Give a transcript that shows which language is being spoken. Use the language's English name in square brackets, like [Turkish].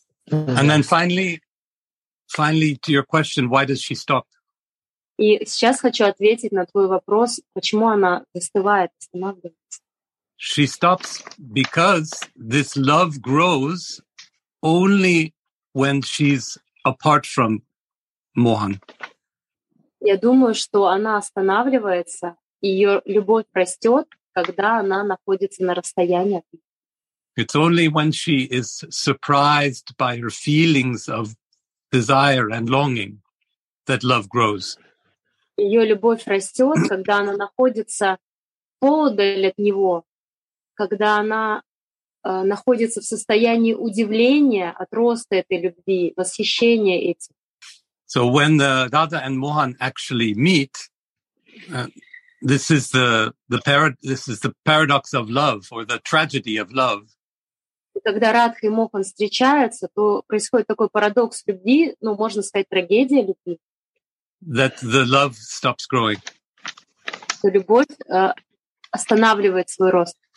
[English] And then finally to your question, why does she stop? [Russian] И сейчас хочу ответить на твой вопрос, почему она застывает, останавливается. [English] She stops because this love grows only when she's apart from Mohan. [Russian] Я думаю, что она останавливается, ее любовь растет, когда она находится на расстоянии. [English] It's only when she is surprised by her feelings of desire and longing that love grows. [Russian] Ее любовь растет, когда она находится подаль от него, когда она находится в состоянии удивления от роста этой любви, восхищения этим. [English] So when the Radha and Mohan actually meet, this is the paradox of love or the tragedy of love. [Russian] Когда Радха и Мохан встречаются, то происходит такой парадокс любви, ну, можно сказать, трагедия любви. [English] That the love stops growing. [Russian] Что любовь останавливает свой рост.